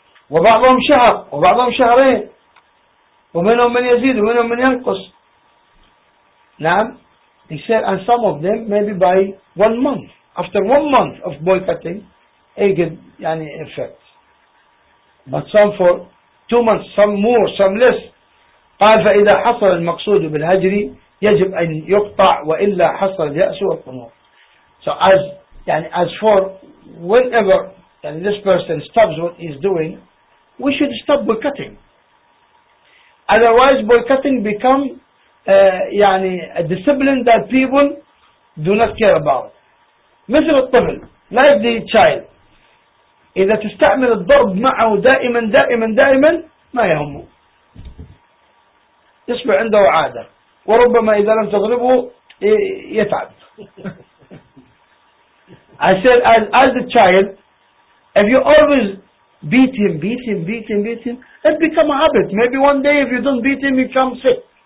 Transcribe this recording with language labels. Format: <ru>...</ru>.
<ar>وَبَعْضَهُمْ شَهَرْ وَبَعْضَهُمْ شَهَرَيْنَ وَمِنْهُمْ مَنْ يَزِيدُ وَمِنْهُمْ مَنْ يَنْقُصُ. نعم.</ar> <en>He said, and some of them maybe by 1 month. After 1 month of boycotting, they get effect. But some for 2 months, some more, some less.</en> <ar>قال فإذا حصل المقصود بالهجر يجب أن يقطع وإلا حصل اليأس والطمأنينة.</ar> <en>So as for whenever this person stops what he's doing, we should stop boycotting. Otherwise, boycotting become a discipline that people do not care about.</en> <ar>مثل الطفل,</ar> <en>like the child.</en> <ar>إذا تستعمل الضرب معه دائما دائما دائما ما يهمه, يصبح عنده عادة, وربما إذا لم تضربه يتعب.</ar> <en>I said, as a child, if you always beat him, beat him, beat him, beat him, it become a habit. Maybe one day if you don't beat him, you become sick.</en>